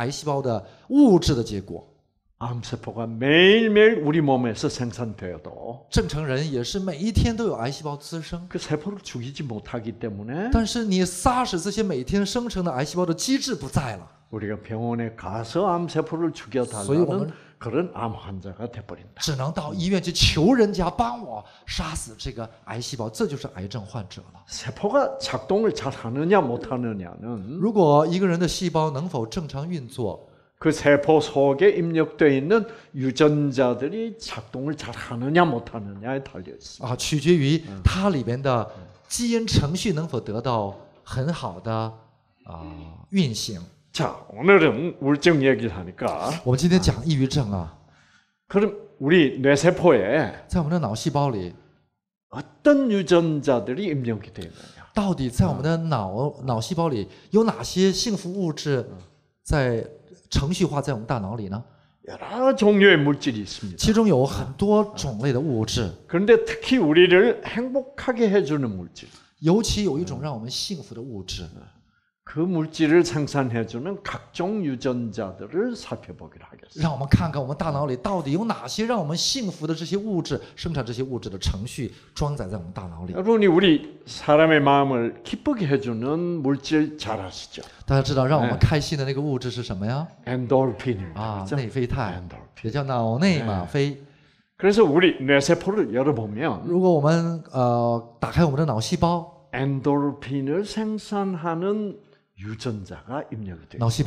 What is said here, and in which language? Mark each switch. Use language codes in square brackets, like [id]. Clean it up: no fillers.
[zh] 无法正常生产能够抑制和杀死癌细胞的物质的结果。 [ko] 암세포가 매일매일 우리 몸에서 생산되어도， [zh] 正常人也是每一天都有癌细胞滋生。 [ko] 그 세포를 죽이지 못하기 때문에， [zh] 但是你杀死这些每天生成的癌细胞的机制不在了。 [ko] 우리가 병원에 가서 암세포를 죽여달라는 그런 암 환자가 되어버린다。 [zh] 只能到医院去求人家帮我杀死这个癌细胞，这就是癌症患者了。 [ko] 세포가 작동을 잘하느냐 못하느냐는， [zh] 如果一个人的细胞能否正常运作， [ko] 그 세포 속에 입력되어 있는 유전자들이 작동을 잘 하느냐 못 하느냐에 달려 있습니다. [zh] 아, 取决于它里面的基因程序能否得到很好的运行。 [ko] 자, 오늘은 우울증 얘기를 하니까， [zh] 我们今天讲抑郁症啊。 [ko] 그럼 우리 뇌 세포에， [zh] 在我们的脑细胞里， [ko] 어떤 유전자들이 입력이 되어 있느냐， [zh] 到底在我们的脑细胞里， 有哪些幸福物质在， 程序化在我们大脑里呢？ [ko] 여러 종류의 물질이 있습니다. [zh] 其中有很多种类的物质。 [ko] 그런데 특히 우리를 행복하게 해주는 물질， [zh] 尤其有一种让我们幸福的物质。 [ko] 그 물질을 생산해주는 각종 유전자들을 살펴보기로 하겠습니다. [zh] 让我们看看我们大脑里到底有哪些让我们幸福的这些物质，生产这些物质的程序装载在我们大脑里。 [ko] 여러분이 우리 사람의 마음을 기쁘게 해주는 물질 잘 아시죠？ [zh] 大家知道让我们开心的那个物质是什么呀？ [ko] 엔돌핀입니다. [zh] 아, 内啡肽， 也叫脑内吗啡。 [ko] 그래서 우리 뇌세포를 열어보면， [zh] 如果我们打开我们的脑细胞， [ko] 엔돌핀을 생산하는 유전자가 입력이 돼요.